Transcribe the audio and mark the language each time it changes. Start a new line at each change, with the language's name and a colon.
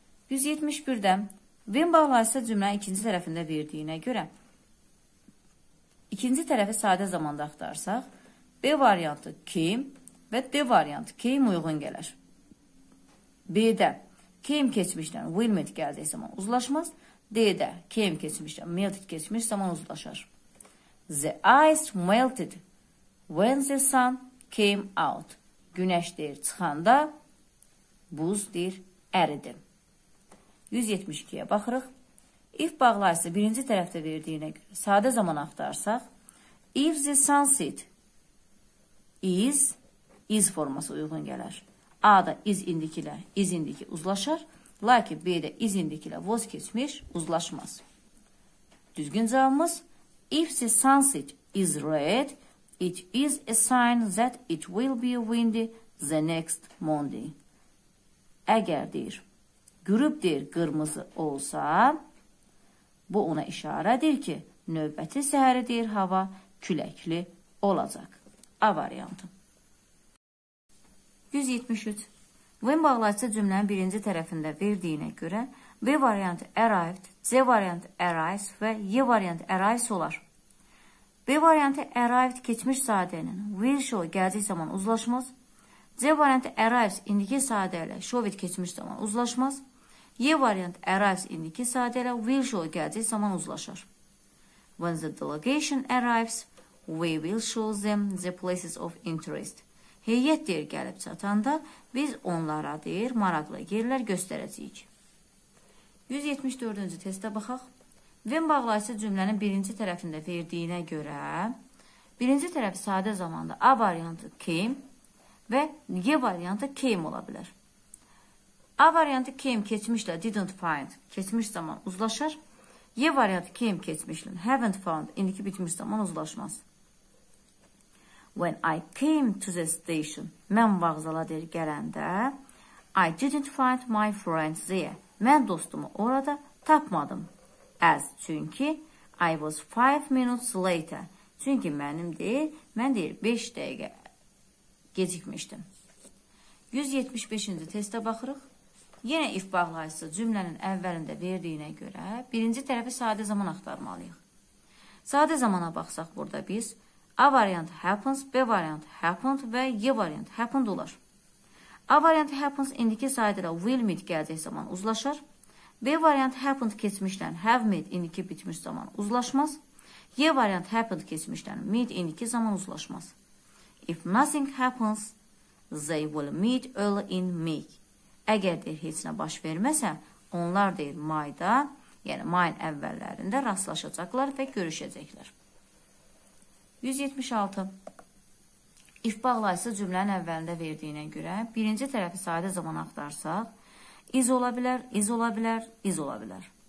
Azerbaijani: 171-də when bağlayısı cümlənin ikinci tərəfində verdiyinə görə ikinci tərəfi sadə zamanda axtarsaq, B variantı came və D variantı came uyğun gələr. B-də came keçmişdən will meet gəldiyi zaman uzlaşmaz. D-də came keçmişdən melted keçmiş zaman uzlaşar.
English: The ice melted when the sun came out.
Azerbaijani: Güneş deyir çıxanda buz deyir əridi. 172-yə baxırıq. If bağlayısı birinci tərəfdə verdiyinə görə sadə zaman axtarsaq, if the sunset is forması uyğun gələr. A-da is indiki ilə is indiki uzlaşar, lakin B-də is indiki ilə was keçmiş uzlaşmaz. Düzgün cavabımız,
English: if the sunset is red, it is a sign that it will be windy the next Monday.
Azerbaijani: Əgər deyir, qürub deyir qırmızı olsa, bu ona işarədir ki, növbəti səhəri deyir hava küləkli olacaq. A variantı. 173. When bağlayıcı cümlənin birinci tərəfində verdiyinə görə, B variantı arrived, C variantı arrives və Y variantı arrives olar. B variantı arrived keçmiş sadənin will show gəlcək zaman uzlaşmaz. C variantı arrives indiki sadə ilə show it keçmiş zaman uzlaşmaz. Y variantı arrives indiki sadə ilə will show gəlcək zaman uzlaşar.
English: When the delegation arrives, we will show them the places of interest.
Azerbaijani: Heyət deyir gəlib çatanda biz onlara deyir maraqlı yerlər göstərəcəyik. 174-cü testə baxaq. When bağlayısı cümlənin birinci tərəfində verdiyinə görə, birinci tərəfi sadə zamanda A variantı came və Y variantı came ola bilər. A variantı came keçmişlə didn't find keçmiş zaman uzlaşar. Y variantı came keçmişlə haven't found indiki bitmiş zaman uzlaşmaz.
English: When I came to the station,
Azerbaijani: mən vağzala deyir gələndə,
English: I didn't find my friends there.
Azerbaijani: Mən dostumu orada tapmadım.
English: As, çünki I was 5 minutes later.
Azerbaijani: Çünki mənim deyir, mən deyir 5 dəqiqə gecikmişdim. 175-ci testə baxırıq. Yenə if bağlayısı cümlənin əvvəlində verdiyinə görə, birinci tərəfi sadə zaman axtarmalıyıq. Sadə zamana baxsaq burada biz, A variantı happens, B variantı happened və Y variantı happened olar. A variantı happens indiki sadələ will meet gəlcək zaman uzlaşar. B variantı happened keçmişdən have met indiki bitmiş zaman uzlaşmaz. Y variantı happened keçmişdən meet indiki zaman uzlaşmaz.
English: If nothing happens, they will meet early in May.
Azerbaijani: Əgər deyir, heç nə baş verməsə, onlar deyir, mayda, yəni mayın əvvəllərində rastlaşacaqlar və görüşəcəklər. 176. If bağlayısı cümlənin əvvəlində verdiyinə görə, birinci tərəfi sadə zaman axtarsaq, is ola bilər, is ola bilər, is ola bilər.